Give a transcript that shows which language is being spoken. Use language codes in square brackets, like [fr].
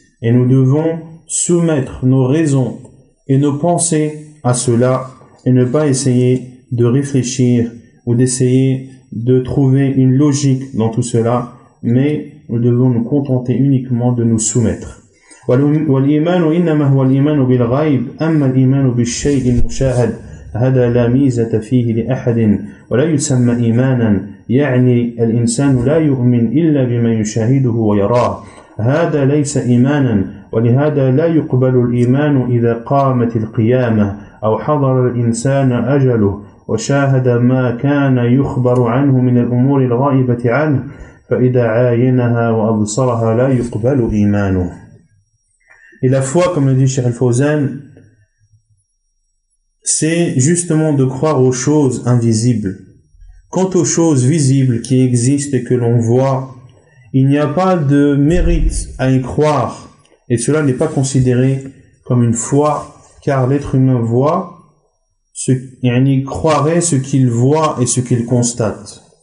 [fr] Et nous devons soumettre nos raisons et nos pensées à cela, et ne pas essayer de réfléchir ou d'essayer de trouver une logique dans tout cela, mais nous devons nous contenter uniquement de nous soumettre. [ar] والإيمان إنما هو الإيمان بالغيب، أما الإيمان بالشيء المشاهد هذا لا ميزة فيه لأحد ولا يسمى إيمانا، يعني الإنسان لا يؤمن إلا بما يشاهده ويراه، هذا ليس إيمانا، ولهذا لا يقبل الإيمان إذا قامت القيامة أو حضر الإنسان أجله وشاهد ما كان يخبر عنه من الأمور الغائبة عنه، فإذا عاينها وأبصرها لا يقبل إيمانه. [fr] Et la foi, comme le dit Cheikh Al-Fawzan, c'est justement de croire aux choses invisibles. Quant aux choses visibles qui existent et que l'on voit, il n'y a pas de mérite à y croire. Et cela n'est pas considéré comme une foi, car l'être humain voit, croirait ce qu'il voit et ce qu'il constate.